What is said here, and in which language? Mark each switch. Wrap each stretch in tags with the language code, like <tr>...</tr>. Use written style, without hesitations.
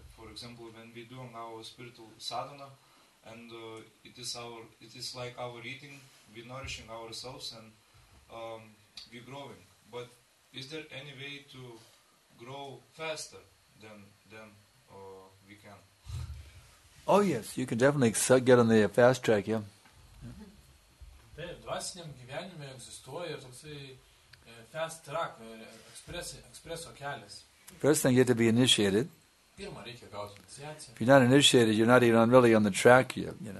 <en>For example, when we do our spiritual sadhana, and it is like our eating, we nourishing ourselves and we growing. But is there any way to grow faster than we can? Oh yes, you can definitely get on the fast track, yeah.</en> <lt>Taip, dvasiniam gyvenime egzistuoja ir toksai</lt> <en>fast track,</en> <lt>ekspreso kelias.</lt> <en>First thing, you have to be initiated.</en> <lt>Pirma, reikia gauti iniciaciją.</lt> <en>If you're not initiated, you're not even really on the track, you know.</en>